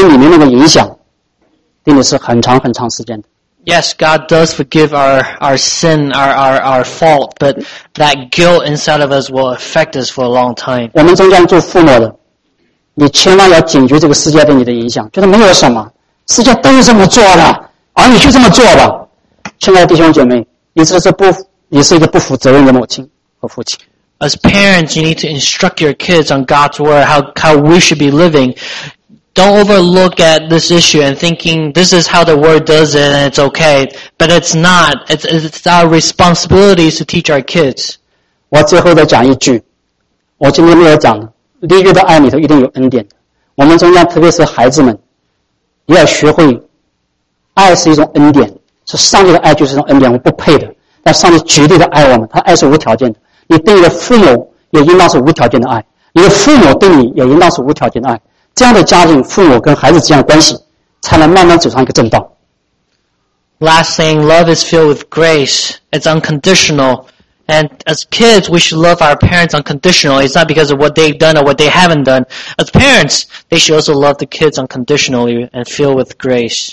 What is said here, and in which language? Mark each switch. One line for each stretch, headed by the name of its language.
Chinese: 无论你过去做过什么，神会赦免我们，但你里面那个影响，对你是很长很长时间的。
English: Yes, God does forgive our sin, our fault, but that guilt inside of us will affect us for a long time.
Chinese: 我们中间做父母的，你千万要警觉这个世界对你的影响，觉得没有什么，世界都是这么做的，而你就这么做吧。亲爱的弟兄姐妹，你是一个不负责任的母亲和父亲。
English: As parents, you need to instruct your kids on God's word, how we should be living. don't overlook at this issue and thinking this is how the word does it and it's okay, but it's not. It's our responsibility to teach our kids.
Chinese: 我最后再讲一句，我今天没有讲，利益的爱里头一定有恩典。我们中间特别是孩子们，也要学会爱是一种恩典，是上帝的爱就是一种恩典，我不配的。但上帝绝对的爱我们，他爱是无条件的。你对你的父母也应当是无条件的爱，你的父母对你也应当是无条件的爱，这样的家庭，父母跟孩子这样的关系，才能慢慢走上一个正道。
English: Last thing, love is filled with grace. It's unconditional. And as kids, we should love our parents unconditionally. It's not because of what they've done or what they haven't done. As parents, they should also love the kids unconditionally and filled with grace.